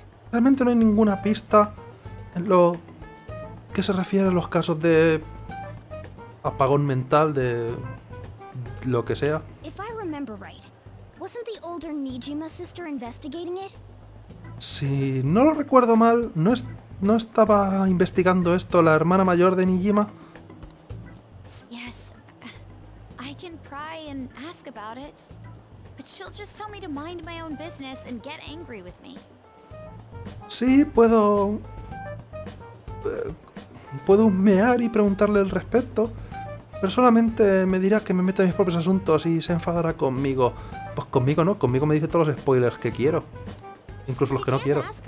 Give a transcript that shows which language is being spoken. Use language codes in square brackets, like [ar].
[es] Realmente no hay ninguna pista en lo que se refiere a los casos de apagón mental, de lo que sea. [en] If I remember right, wasn't the older Nijima sister investigating it? [es] Si no lo recuerdo mal, ¿no estaba investigando esto la hermana mayor de Nijima? [en] Yes, I can pry and ask about it, but she'll just tell me to mind my own business and get angry with me. [es] Sí, puedo. Puedo humear y preguntarle al respecto, pero solamente me dirá que me meta en mis propios asuntos y se enfadará conmigo. Pues conmigo no, conmigo me dice todos los spoilers que quiero. Incluso los que no quiero.